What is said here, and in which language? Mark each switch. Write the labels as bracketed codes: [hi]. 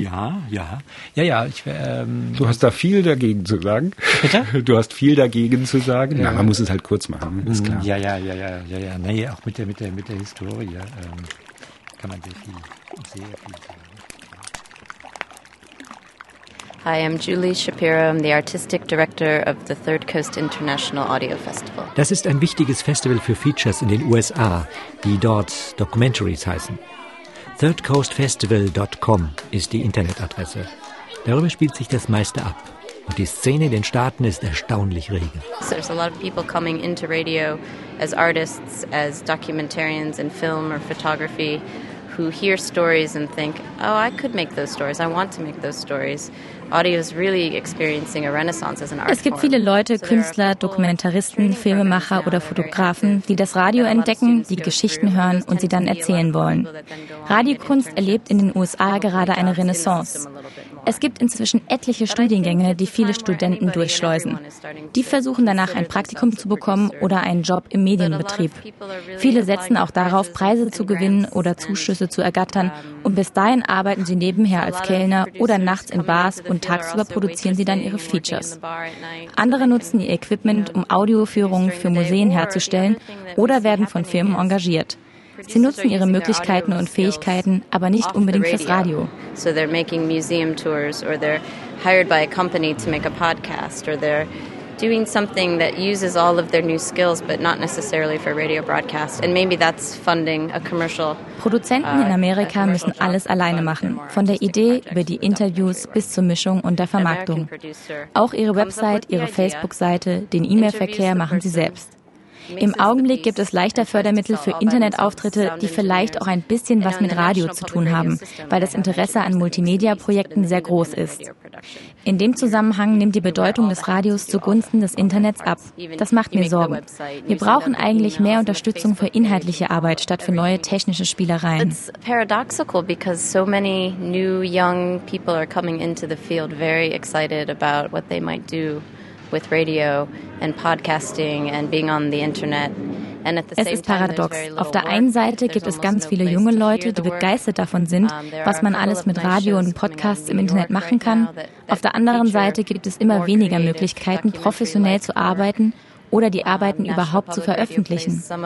[de] Ja, ja. Ja, ja. Du hast da viel dagegen zu sagen. Bitte? Du hast viel dagegen zu sagen. Ja. Na, man muss es halt kurz machen. Ist klar. Ja, ja, ja, ja, ja, ja. Nee, auch mit der Historie kann man sehr viel sagen. [en] Hi, I'm Julie Shapiro, I'm the Artistic Director of the Third Coast International Audio Festival. [de] Das ist ein wichtiges Festival für Features in den USA, die dort Documentaries heißen. ThirdCoastFestival.com ist die Internetadresse. Darüber spielt sich das meiste ab. Und die Szene in den Staaten ist erstaunlich rege. [en] So there's a lot of people coming into radio as artists, as documentarians in film or photography, who hear stories and think, oh, I could make those stories, I want to make those stories. Audio is really experiencing a renaissance as an art form. [de] Es gibt viele Leute, Künstler, Dokumentaristen, Filmemacher oder Fotografen, die das Radio entdecken, die Geschichten hören und sie dann erzählen wollen. Radiokunst erlebt in den USA gerade eine Renaissance. Es gibt inzwischen etliche Studiengänge, die viele Studenten durchschleusen. Die versuchen danach ein Praktikum zu bekommen oder einen Job im Medienbetrieb. Viele setzen auch darauf, Preise zu gewinnen oder Zuschüsse zu ergattern und bis dahin arbeiten sie nebenher als Kellner oder nachts in Bars und tagsüber produzieren sie dann ihre Features. Andere nutzen ihr Equipment, um Audioführungen für Museen herzustellen oder werden von Firmen engagiert. Sie nutzen ihre Möglichkeiten und Fähigkeiten, aber nicht unbedingt fürs Radio. [en] So they're making museum tours or they're hired by a company to make a podcast or they're doing something that uses all of their new skills, but not necessarily for radio broadcast. And maybe that's funding a commercial. [de] Produzenten in Amerika müssen alles alleine machen, von der Idee über die Interviews bis zur Mischung und der Vermarktung. Auch ihre Website, ihre Facebook-Seite, den E-Mail-Verkehr machen sie selbst. Im Augenblick gibt es leichter Fördermittel für Internetauftritte, die vielleicht auch ein bisschen was mit Radio zu tun haben, weil das Interesse an Multimedia-Projekten sehr groß ist. In dem Zusammenhang nimmt die Bedeutung des Radios zugunsten des Internets ab. Das macht mir Sorgen. Wir brauchen eigentlich mehr Unterstützung für inhaltliche Arbeit statt für neue technische Spielereien. [en] It's paradoxical because so many new young people are coming into the field very excited about what they might do with radio and podcasting and being on the internet. [de] Es ist paradox. Auf der einen Seite gibt es ganz viele junge Leute, die begeistert davon sind, was man alles mit Radio und Podcasts im Internet machen kann. Auf der anderen Seite gibt es immer weniger Möglichkeiten, professionell zu arbeiten oder die Arbeiten überhaupt zu veröffentlichen.